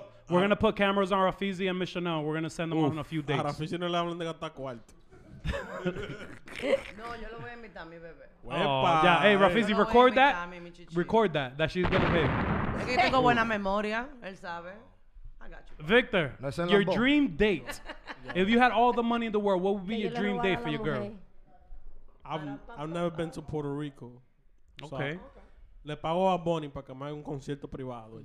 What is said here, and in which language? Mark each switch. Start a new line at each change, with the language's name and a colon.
English: We're gonna put cameras on Rafizi and Michelle. We're going to send them on a few dates.
Spanish: Rafizi no le hablan de gata cuarto. No, yo lo voy a invitar a mi bebé.
English: Yeah, hey Rafizi, record that. Record that. That she's gonna pay.
Spanish: Tengo buena memoria, él sabe.
English: Victor, your dream date. If you had all the money in the world, what would be your dream date for your girl? I've never been to Puerto Rico. Okay.
Spanish: Le pago a Bonnie para que me haga un concierto privado.